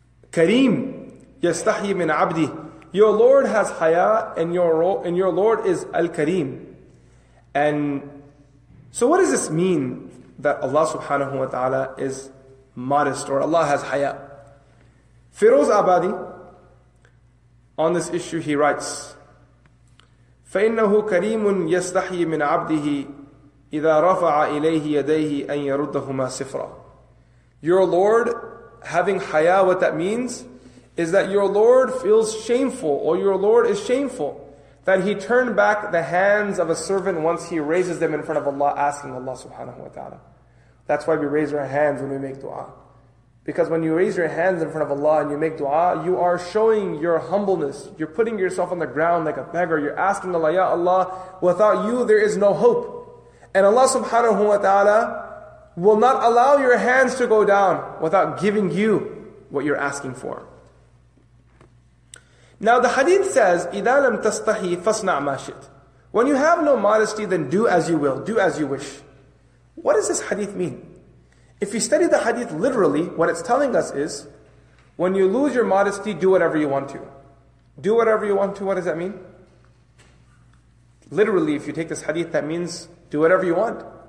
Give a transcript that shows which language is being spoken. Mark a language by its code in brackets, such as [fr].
[ar] Kareem, يَسْتَحْيِ مِنْ عَبْدِهِ. [en] Your Lord has haya, and your Lord is al-kareem. And so what does this mean, that Allah subhanahu wa ta'ala is modest, or Allah has haya? [ar] Firoz Abadi, [en] on this issue he writes, [ar] فَإِنَّهُ كَرِيمٌ يَسْتَحْيِ مِنْ عَبْدِهِ إِذَا رَفَعَ إِلَيْهِ يَدَيْهِ أَنْ يَرُدَّهُمَا سِفْرًا. [en] Your Lord having haya, what that means is that your Lord feels shameful, or your Lord is shameful that he turned back the hands of a servant once he raises them in front of Allah, asking Allah subhanahu wa ta'ala. That's why we raise our hands when we make dua. Because when you raise your hands in front of Allah and you make dua, you are showing your humbleness. You're putting yourself on the ground like a beggar. You're asking Allah, Ya Allah, without you there is no hope. And Allah subhanahu wa ta'ala will not allow your hands to go down without giving you what you're asking for. Now the hadith says, [ar] إِذَا لَمْ تَسْتَحِي فَاسْنَعْ مَا شِئْتَ. [en] When you have no modesty, then do as you will, do as you wish. What does this hadith mean? If you study the hadith literally, what it's telling us is, when you lose your modesty, do whatever you want to. Do whatever you want to, what does that mean? Literally, if you take this hadith, that means do whatever you want.